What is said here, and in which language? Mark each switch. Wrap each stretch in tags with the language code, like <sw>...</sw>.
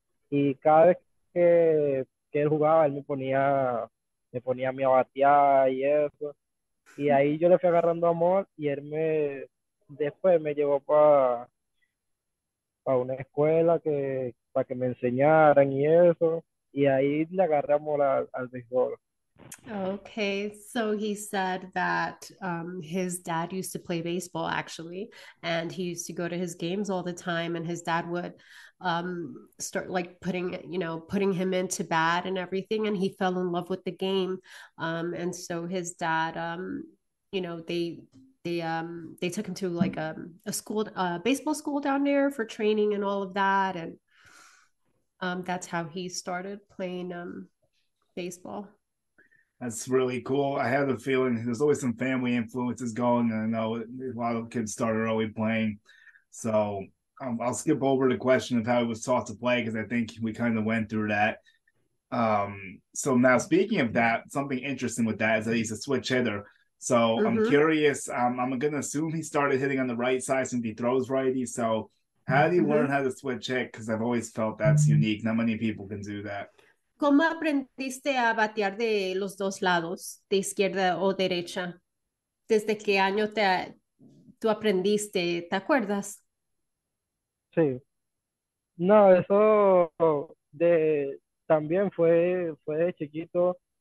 <es>Y cada vez que él jugaba, él me ponía a mí a batear y eso. Y ahí yo le fui agarrando amor y él después me llevó para una escuela para que me enseñaran y eso, y ahí le agarré amor al béisbol.</es> <en>Okay, so he said that his dad used to play baseball, actually, and he used to go to his games all the time, and his dad would start like putting him into bat and everything, and he fell in love with the game, and so his dad, they took him to like a baseball school down there for training and all of that. And that's how he started playing baseball. That's really cool. I have a feeling there's always some family influences going. And I know a lot of kids start early playing. So I'll skip over the question of how he was taught to play, because I think we kind of went through that. So now, speaking of that, something interesting with that is that he's a switch hitter. So mm-hmm. I'm curious, I'm going to assume he started hitting on the right side since he throws righty. So how did he mm-hmm. learn how to switch hit? Because I've always felt that's mm-hmm. unique. Not many people can do that.</en> <es>¿Cómo aprendiste a batear de los dos lados, de izquierda o derecha? ¿Desde qué año tú aprendiste? ¿Te acuerdas? Sí. No, eso también fue de chiquito.</es>